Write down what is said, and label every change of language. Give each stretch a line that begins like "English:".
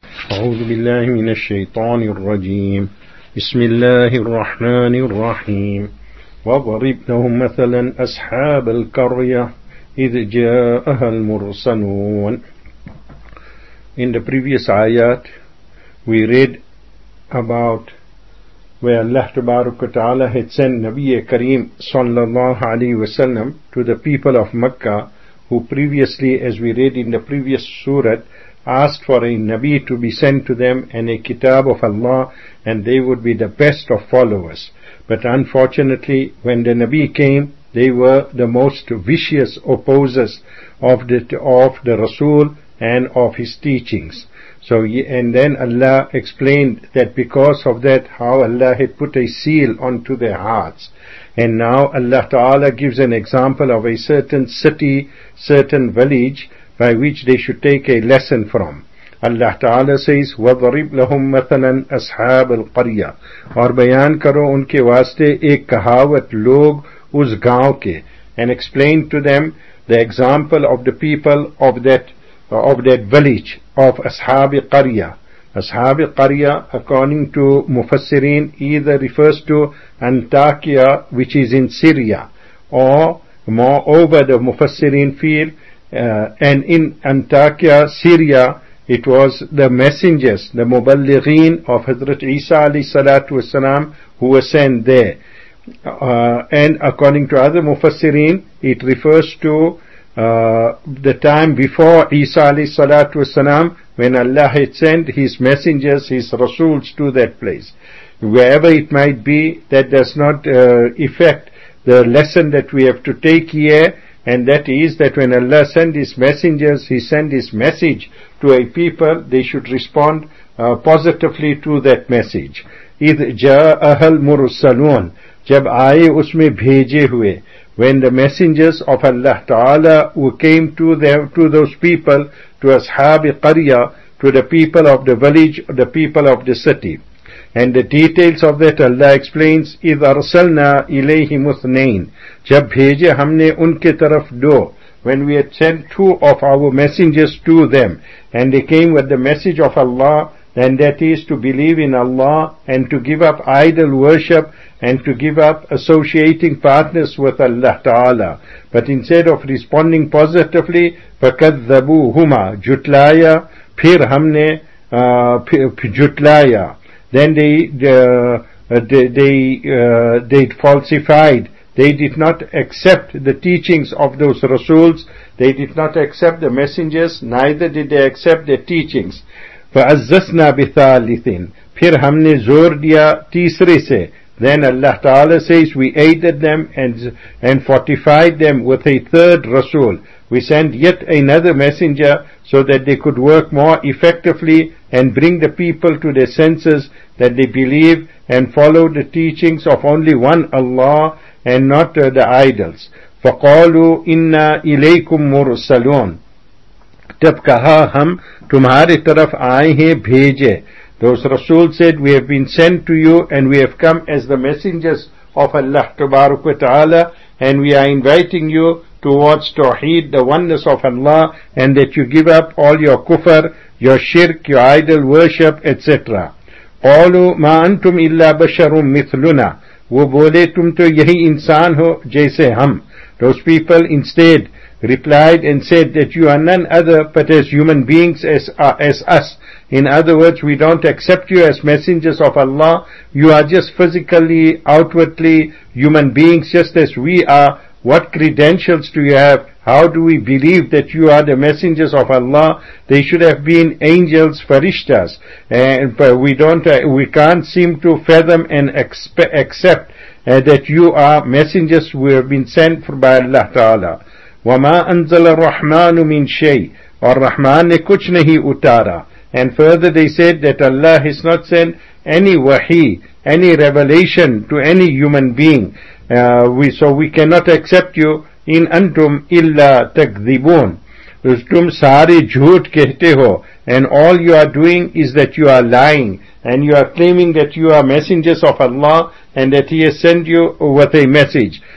Arabic: أعوذ بالله من الشيطان الرجيم. بسم الله الرحمن الرحيم. وضرب لهم مثلا أصحاب القرية إذ جاءها المرسلون.
English: In the previous ayat, we read about where Allah Tabaraka wa Ta'ala had sent Nabiya Kareem sallallahu alayhi wa sallam to the people of Makkah, who previously, as we read in the previous surah, asked for a Nabi to be sent to them and a Kitab of Allah, and they would be the best of followers. But unfortunately, when the Nabi came, they were the most vicious opposers of the Rasul and of his teachings. So, and then Allah explained that because of that, how Allah had put a seal onto their hearts. And now Allah Ta'ala gives an example of a certain city, certain village, by which they should take a lesson from. Allah Ta'ala says,
Arabic: وَضْرِبْ لَهُمْ مَثَلًا أَصْحَابَ الْقَرْيَةِ.
Urdu: اور بیان کرو ان کے واسطے ایک کہاوت لوگ اس گاؤں کے.
English: And explain to them the example of the people of that village of Ashabi Qarya. Ashabi Qarya, according to Mufassirin, either refers to Antakya, which is in Syria, or moreover the Mufassirin feel, and in Antakya, Syria, it was the messengers, the Muballighin of Hazrat Isa alayhi salatu wasalam, who were sent there. And according to other Mufassirin, it refers to the time before Isa alayhi salatu wasalam, when Allah had sent his messengers, his rasuls to that place. Wherever it might be, that does not affect the lesson that we have to take here, and that is that when Allah sent his messengers, he sent his message to a people, they should respond positively to that message.
Arabic: إِذْ جَاءَ الْمُرْسَلُونَ
Urdu: جَبْ آئے اس میں بھیجے ہوئے.
English: When the messengers of Allah Ta'ala who came to those people, to Ashabi Qarya, to the people of the village, the people of the city. And the details of that Allah explains,
Arabic: إِذْ أَرْسَلْنَا إِلَيْهِمُ اثْنَيْنِ
Urdu: جَبْ بھیجے ہم نے ان کے طرف دو.
English: When we had sent two of our messengers to them, and they came with the message of Allah, and that is to believe in Allah and to give up idol worship and to give up associating partners with Allah Ta'ala. But instead of responding positively,
Arabic: فَكَذَّبُوهُمَا
Urdu: جُتْلَايَا پھر ہم نے جُتْلَايَا.
English: Then they falsified. They did not accept the teachings of those Rasuls. They did not accept the messengers. Neither did they accept their teachings.
Arabic: فَعَزَّسْنَا بِثَالِثٍ
Urdu: پھر ہم نے زور دیا تیسرے سے.
English: Then Allah Ta'ala says, we aided them and fortified them with a third Rasul. We sent yet another messenger so that they could work more effectively and bring the people to their senses that they believe and follow the teachings of only one Allah and not the idols.
Arabic: فَقَالُوا إِنَّا إِلَيْكُمْ مُرْسَلُونَ
Urdu: تب کہا ہم تمہارے طرف آئے ہیں بھیجے.
English: Those Rasul said, we have been sent to you and we have come as the messengers of Allah Tabaraka wa Ta'ala, and we are inviting you towards Tawheed, the oneness of Allah, and that you give up all your kufr, your shirk, your idol worship, etc.
Arabic: قَالُوا مَا أَنْتُمْ إِلَّا بَشَرٌ مِثْلُنَا.
Urdu: وہ بولے تم تو یہی انسان ہو جیسے ہم.
English: Those people instead replied and said that you are none other but as human beings as us. In other words, we don't accept you as messengers of Allah. You are just physically, outwardly human beings just as we are. What credentials do you have? How do we believe that you are the messengers of Allah? They should have been angels, farishtas. And we can't seem to fathom and accept that you are messengers who have been sent by Allah Ta'ala.
Arabic: وَمَا أَنزَلَ الرَّحْمَانُ مِن شَيْءٍ.
Urdu: اور رحمان نے کچھ نہیں اتارا.
English: And further they said that Allah has not sent any wahi, any revelation to any human being. So we cannot accept you.
Arabic: إِنْ أَنْتُمْ إِلَّا تَكْذِبُونَ.
Urdu: تم سارے جھوٹ کہتے ہو.
English: And all you are doing is that you are lying. And you are claiming that you are messengers of Allah and that He has sent you with a message.